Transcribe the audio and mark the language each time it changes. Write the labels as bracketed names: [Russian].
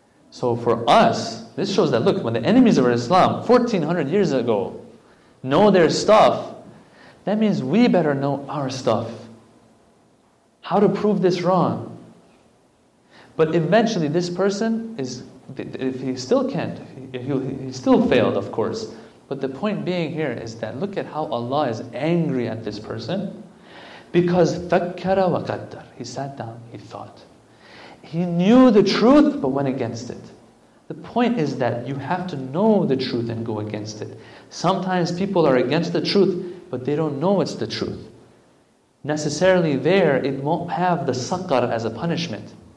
[English] So for us, this shows that, look, when the enemies of Islam, 1400 years ago, know their stuff, that means we better know our stuff. How to prove this wrong? But eventually this person is, if he still can't, he still failed, of course. But the point being here is that look at how Allah is angry at this person. Because [Arabic] فَكَّرَ وَقَدَّرَ. [English] He sat down, he thought. He knew the truth, but went against it. The point is that you have to know the truth and go against it. Sometimes people are against the truth, but they don't know it's the truth. Necessarily there, it won't have the saqar as a punishment.